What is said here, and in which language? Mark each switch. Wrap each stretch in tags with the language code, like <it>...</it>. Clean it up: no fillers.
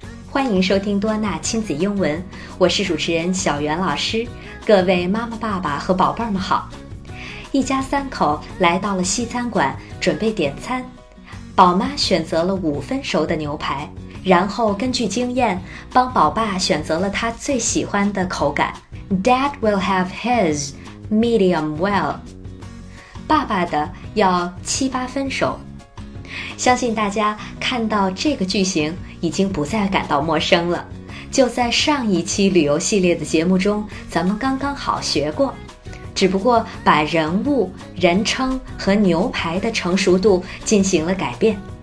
<zh>欢迎收听多纳亲子英文，我是主持人小袁老师。各位妈妈爸爸和宝贝们好。一家三口来到了西餐馆准备点餐，宝妈选择了五分熟的牛排，然后根据经验帮宝爸选择了他最喜欢的口感。</zh> <en>Dad will have his medium well，</en> <zh>爸爸的要七八分熟。相信大家看到这个句型已经不再感到陌生了，就在上一期旅游系列的节目中咱们刚刚好学过，只不过把人物、人称和牛排的成熟度进行了改变。</zh>